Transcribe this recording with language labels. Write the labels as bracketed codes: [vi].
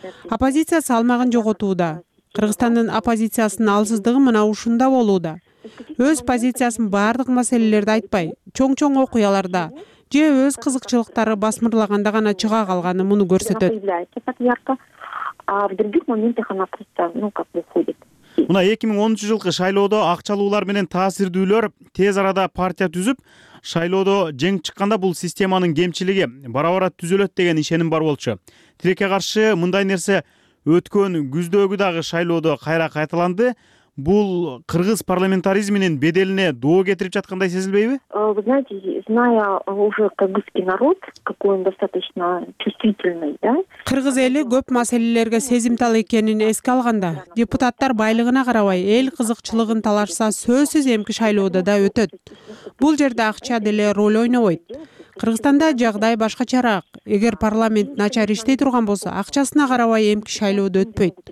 [ky] Оппозиция салмагын жоготууда. Кыргызстандын оппозициясынын алсыздыгы мына ушунда болууда. Өз позициясын бардык маселелерде айтпай, чоң-чоң окуяларда же өз кызыкчылыктары басмырлаганда гана чыга калганы муну көрсөтөт. [ru] А в других моментах она просто, ну, как бы уходит. [ky] Мына 2010 жылкы шайлоодо акчалуулар менен таасирдүүлөр тез арада партия түзүп, шайлоодо жеңип чыкканда бул системанын кемчилиги бара-бара түзөлөт деген ишеним бар болчу. Тилекке каршы мындай нерсе өткөн күздөгү дагы шайлоодо кайра кайталанды. бул кыргыз парламентаризминин беделине доо кетирип жаткандай сезилбейби? [ru] Вы знаете, зная уже кыргызский народ, какой он достаточно чувствительный, да? [ky] Кыргыз эли көп маселелерге сезимтал экенин эске алганда, депутаттар байлыгына карабай, эл кызыкчылыгын талашса, сөзсүз эмки шайлоодо да өтөт. Бул жерде акча деле роль ойнобойт. Кыргызстанда жагдай башкачараак. Эгер парламент начар иштей турган болсо, акчасына карабай эмки шайлоодо өтпөйт.